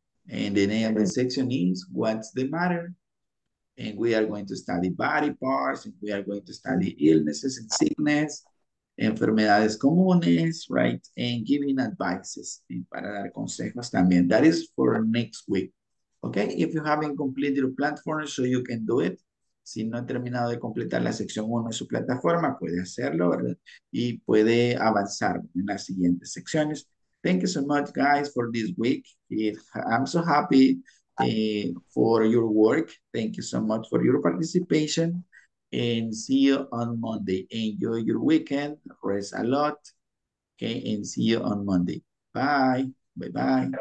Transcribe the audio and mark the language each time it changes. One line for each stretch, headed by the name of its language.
English: And the name of the section is What's the Matter? And we are going to study body parts, and we are going to study illnesses and sickness,
Spanish: enfermedades comunes,
English: right? And giving advices, and
Spanish: para dar consejos también.
English: That is for next week. Okay, if you haven't completed your platform, so you can do it.
Spanish: Si no ha terminado de completar la sección 1 de su plataforma, puede hacerlo, ¿verdad? Y puede avanzar en las siguientes secciones.
English: Thank you so much, guys, for this week. I'm so happy for your work. Thank you so much for your participation. And see you on Monday. Enjoy your weekend. Rest a lot. Okay, and see you on Monday. Bye. Bye-bye.